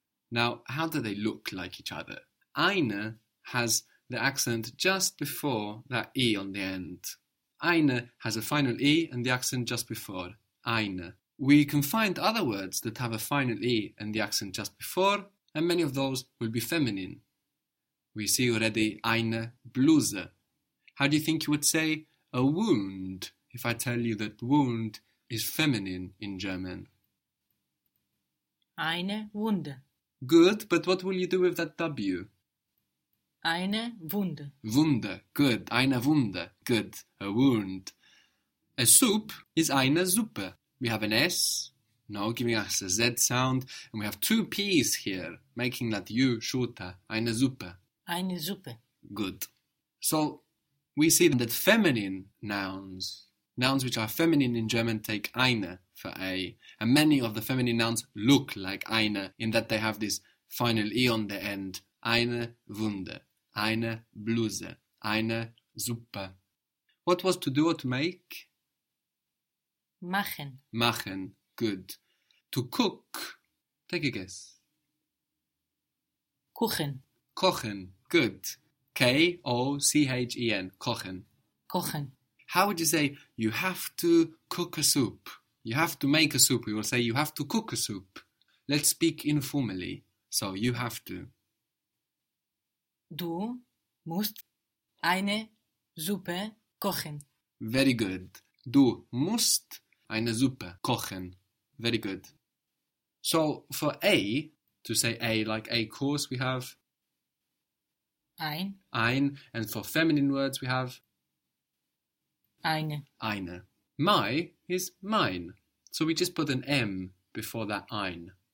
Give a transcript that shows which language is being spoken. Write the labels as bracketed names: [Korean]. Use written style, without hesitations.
[English] Now, how do they look like each other? Eine has the accent just before that E on the end. Eine has a final E and the accent just before. Eine. We can find other words that have a final E and the accent just before, and many of those will be feminine. We see already [German] eine Bluse. [English] How do you think you would say a wound if I tell you that wound is feminine in German? [German] Eine Wunde. [English] Good, but what will you do with that W? [German] Eine Wunde. [English] Wunde, good. [German] Eine Wunde, [English] good. A wound. A soup is [German] eine Suppe. [English] We have an S, no, giving us a Z sound. And we have two P's here, making that U shorter. [German] Eine Suppe. Eine Suppe. [English] Good. So we see that feminine nouns, nouns which are feminine in German, take eine for A. And many of the feminine nouns look like eine in that they have this final E on the end. [German] Eine Wunde, eine Bluse, eine Suppe. [English] What was to do or to make? [German] Machen. [English] Machen, good. To cook, take a guess. [German] Kuchen. Kochen, [English] good. [German] K-O-C-H-E-N, kochen. Kochen. [English] How would you say, you have to cook a soup? You have to make a soup. We will say, you have to cook a soup. Let's speak informally. So, you have to. [German] Du musst eine Suppe kochen. [English] Very good. [German] Du musst eine Suppe kochen. [English] Very good. So for A, to say A like A course, we have [German] ein. Ein. [English] And for feminine words, we have [German] eine. [English] Eine. My is mein. So we just put an M before that ein.